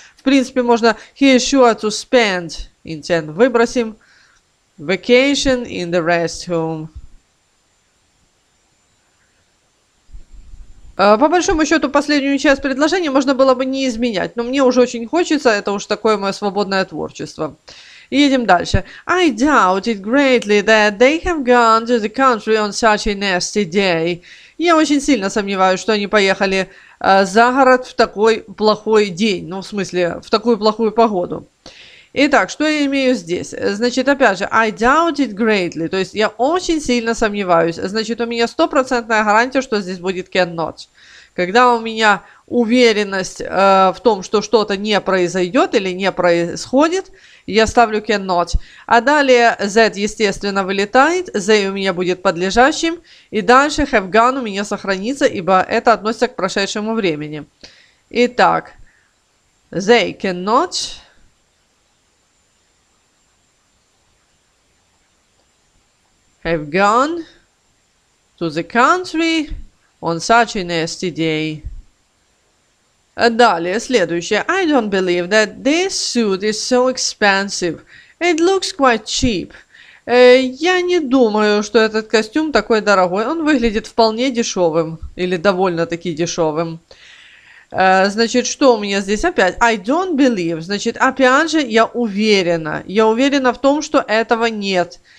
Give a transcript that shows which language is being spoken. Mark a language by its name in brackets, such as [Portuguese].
[Russian] В принципе, можно [English] he is sure to spend. Intend [Russian] выбросим. [English] Vacation in the rest home. [Russian] По большому счету, последнюю часть предложения можно было бы не изменять, но мне уже очень хочется, это уж такое мое свободное творчество. Едем дальше. [English] I doubt it greatly that they have gone to the country on such a nasty day. [Russian] Я очень сильно сомневаюсь, что они поехали за город в такой плохой день, ну, в смысле, в такую плохую погоду. Итак, что я имею здесь? Значит, опять же, [English] I doubt it greatly, [Russian] то есть я очень сильно сомневаюсь. Значит, у меня стопроцентная гарантия, что здесь будет cannot. Когда у меня уверенность в том, что что-то не произойдет или не происходит, я ставлю cannot. А далее Z, естественно, вылетает, Z у меня будет подлежащим, и дальше [English] have gone [Russian] у меня сохранится, ибо это относится к прошедшему времени. Итак, [English] they cannot... have gone to the country on such a nasty day. [Russian] Далее, следующее. [English] I don't believe that this suit is so expensive. It looks quite cheap. [Russian] Я не думаю, что этот костюм такой дорогой. Он выглядит вполне дешевым. Или довольно-таки дешевым. Значит, что у меня здесь опять? [English] I don't believe. [Russian] Значит, опять же, я уверена. Я уверена в том, что этого нет.